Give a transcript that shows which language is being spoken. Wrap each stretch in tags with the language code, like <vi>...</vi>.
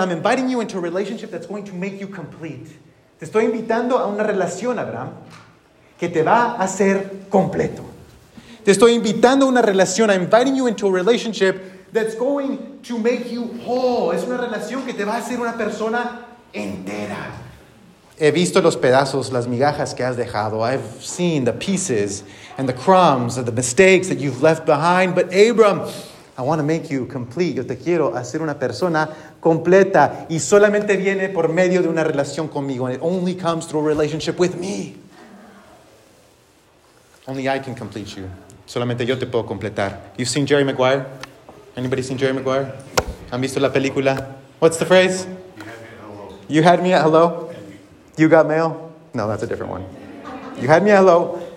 <en>I'm inviting you into a relationship that's going to make you complete.</en> <es>Te estoy invitando a una relación, Abraham, que te va a hacer completo. Te estoy invitando a una relación.</es> <en>I'm inviting you into a relationship that's going to make you whole.</en> <es>Es una relación que te va a hacer una persona entera. He visto los pedazos, las migajas que has dejado.</es> <en>I've seen the pieces and the crumbs and the mistakes that you've left behind. But Abram, I want to make you complete.</en> <es>Yo te quiero hacer una persona completa. Y solamente viene por medio de una relación conmigo.</es> <en>And it only comes through a relationship with me. Only I can complete you.</en> <es>Solamente yo te puedo completar.</es> <en>You've seen Jerry Maguire? Anybody seen Jerry Maguire?</en> <es>¿Han visto la película?</es> <en>What's the phrase? You had me at hello. You had me at hello? You got mail? No, that's a different one. You had me hello.</en>